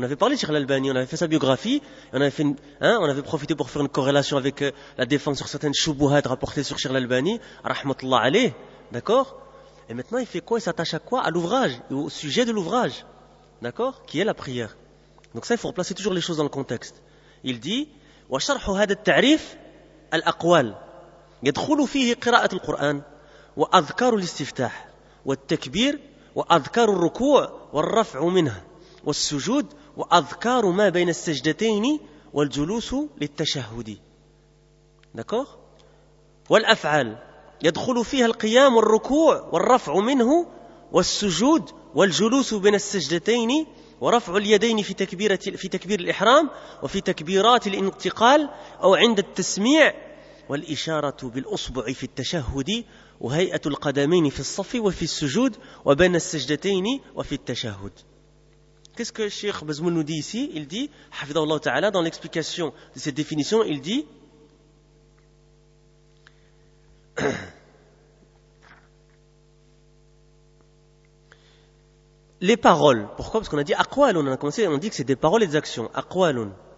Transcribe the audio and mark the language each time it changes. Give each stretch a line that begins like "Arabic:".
French: On avait parlé de Cheikh Al-Albani, on avait fait sa biographie, on avait profité pour faire une corrélation avec la défense sur certaines choubouhad rapportées sur Cheikh Al-Albani, rahmatullah alayh, d'accord? Et maintenant, il fait quoi? Il s'attache à quoi? À l'ouvrage, au sujet de l'ouvrage, d'accord? Qui est la prière. Donc ça, il faut replacer toujours les choses dans le contexte. Il dit,
Arabic: wa sharhu hadha at-ta'rif al-aqwal yadkhulu fihi qira'at al-Qur'an wa adhkar al-istiftah wa at-takbir وأذكار الركوع والرفع منها والسجود وأذكار ما بين السجدتين والجلوس للتشهد دكور والأفعال يدخل فيها القيام والركوع والرفع منه والسجود والجلوس بين السجدتين ورفع اليدين في تكبير الإحرام وفي تكبيرات الانتقال أو عند التسميع والإشارة بالأصبع في التشهد وهيئة القدمين في الصف وفي السجود وبين السجدتين وفي التشهد.
French: Qu'est-ce que Cheikh Bazmoul nous dit ici? Il dit,
Arabic: حفظه الله تعالى,
French: dans l'explication de cette définition, il dit, les paroles. Pourquoi? Parce qu'on a dit aqwalun, on a commencé, on dit que c'est des paroles et des actions. Aqwalun.